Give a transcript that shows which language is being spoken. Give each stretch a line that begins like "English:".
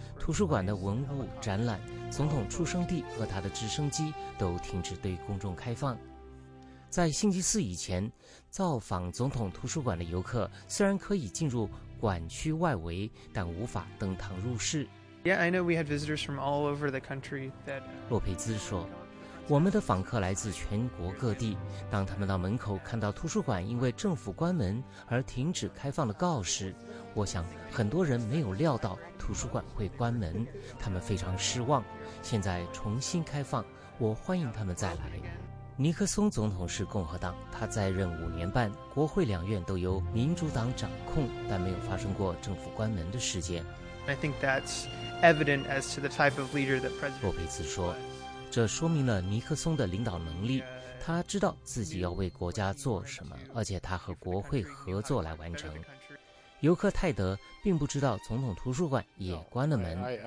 Chinese: 图书馆的文物展览、总统出生地和他的直升机都停止对公众开放。在星期四以前，造访总统图书馆的游客虽然可以进入馆区外围，但无法登堂入室。
English: Yeah, I know we had visitors from all over the country.
Chinese: 洛佩兹说，我们的访客来自全国各地。当他们到门口看到图书馆因为政府关门而停止开放的告示，我想很多人没有料到图书馆会关门，他们非常失望。现在重新开放，我欢迎他们再来。尼克松总统是共和党，他在任5年半，国会两院都由民主党掌控，但没有发生过政府关门的事件。
English: I think that's evident as to the type of leader that President.
Chinese: 洛佩兹说，这说明了尼克松的领导能力。他知道自己要为国家做什么，而且他和国会合作来完成。尤克泰德并不知道总统图书馆也关了门。